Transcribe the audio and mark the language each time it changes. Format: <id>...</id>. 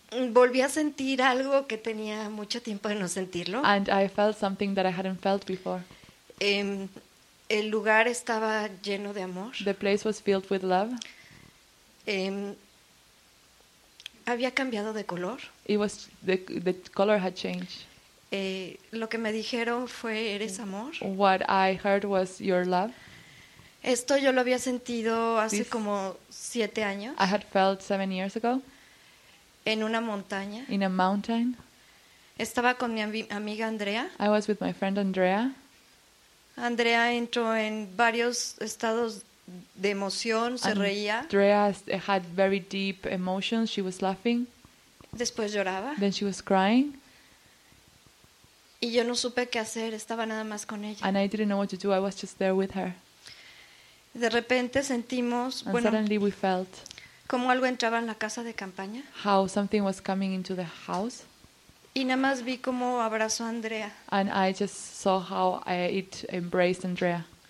<es>volví a sentir algo que tenía mucho tiempo de no sentirlo.</es> <en>And I felt something that I hadn't felt before.</en> <es>El lugar estaba lleno de amor.</es> <en>The place was filled with love.</en> <es>Había cambiado de color.</es> <en>It was the color had changed.</en> <es>Lo que me dijeron fue eres amor.</es> <en>What I heard was your love.</en> <es>Esto yo lo había sentido hace como 7 años.</es> <en>I had felt 7 years ago.</en> <es>En una montaña.</es> <en>In a mountain.</en> <es>Estaba con mi amiga Andrea.</es> <en>I was with my friend Andrea.</en> <es>Andrea entró en varios estados de emoción, se reía.</es> <en>Andrea had very deep emotions, she was laughing.</en> <es>Después lloraba.</es> <en>Then she was crying.</en> <es>Y yo no supe qué hacer, estaba nada más con ella.</es> <en>And I didn't know what to do, I was just there with her.</en> <es>De repente sentimos,</es> <en>and bueno, suddenly we felt...</en> <es>como algo entraba en la casa de campaña.</es> <en>How something was coming into the house.</en> <es>Y nada más vi cómo abrazó a Andrea.</es> <en>And I just saw how it embraced Andrea.</en>